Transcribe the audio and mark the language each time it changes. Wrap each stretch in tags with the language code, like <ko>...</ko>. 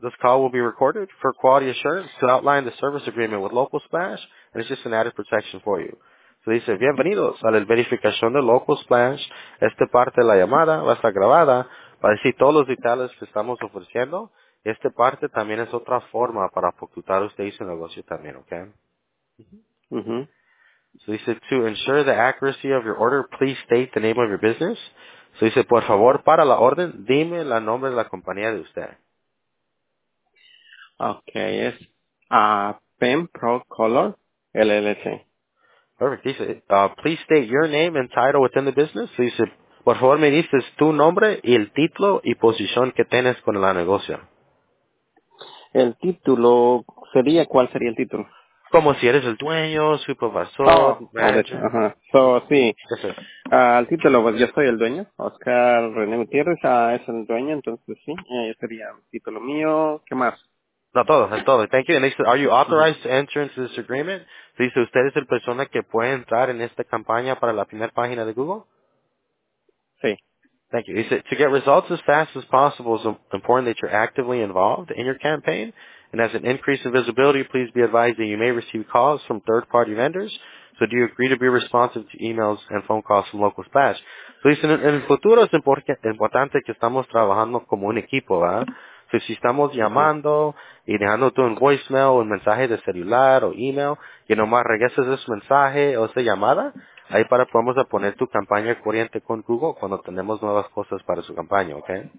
<en>This call will be recorded for quality assurance to outline the service agreement with Local Splash, and it's just an added protection for you.</en> <es>So, dice, bienvenidos a la verificación de Local Splash. Esta parte de la llamada va a estar grabada para decir todos los detalles que estamos ofreciendo. Esta parte también es otra forma para ocultar usted y su negocio también, okay?</es> <en>So he said, to ensure the accuracy of your order, please state the name of your business.</en> <es>So he said, por favor, para la orden, dime el nombre de la compañía de usted. Okay, es Pen Pro Color, LLC.</es> <en>Perfect. He said, please state your name and title within the business.</en> <es>So he said, por favor, me dices tu nombre y el título y posición que tienes con la negocio. El título sería, ¿cuál sería el título? como si eres el dueño, supervisor, manager. Oh, sí. Al título, pues yo soy el dueño, Oscar René Gutiérrez, es el dueño, entonces sí, sería el título mío. ¿Qué más? No, todo, es todo.</es> <en>Thank you. And they said, are you authorized to enter into this agreement?</en> <es>Dice, ¿usted es el persona que puede entrar en esta campaña para la primera página de Google? Sí.</es> <en>Thank you. He said, to get results as fast as possible, it's important that you're actively involved in your campaign. And as an increase in visibility, please be advised that you may receive calls from third-party vendors. So do you agree to be responsive to emails and phone calls from local spas?</en> <es>So dice, en el futuro es importante que estamos trabajando como un equipo, ¿verdad? So si estamos llamando y dejando tú un voicemail o un mensaje de celular o email, que nomás regreses ese mensaje o esa llamada, ahí para podemos poner tu campaña corriente con Google cuando tenemos nuevas cosas para su campaña, ¿ok?</es>